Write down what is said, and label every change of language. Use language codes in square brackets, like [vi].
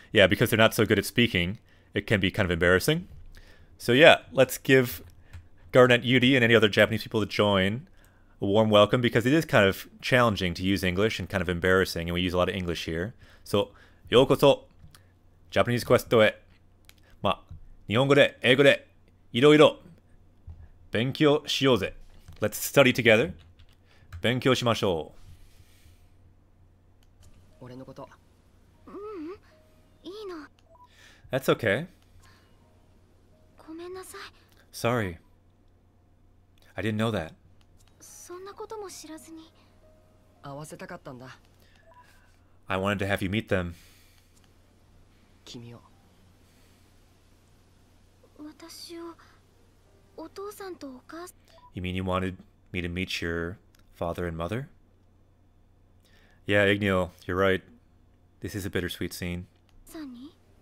[en] Yeah, because they're not so good at speaking, it can be kind of embarrassing. So yeah, let's give... Garnet Yuri and any other Japanese people to join a warm welcome because it is kind of challenging to use English and kind of embarrassing and we use a lot of English here. So, [ja] ようこそ [en] Japanese Questへ。 [ja] まあ、日本語で英語でいろいろ勉強しようぜ。 [en] Let's study together. [ja] 勉強しましょう。俺のこと。いいの。 [en] That's okay. [ja] ごめんなさい。 [en] Sorry. I didn't know that. [ja] そんなことも知らずに会わせたかったんだ。 [en] I wanted to have you meet them. [ja] 君を。私をお父さんとお母さん。 [en] You mean you wanted me to meet your father and mother? Yeah, Igneal, you're right. This is a bittersweet scene. [ja] お父さんに?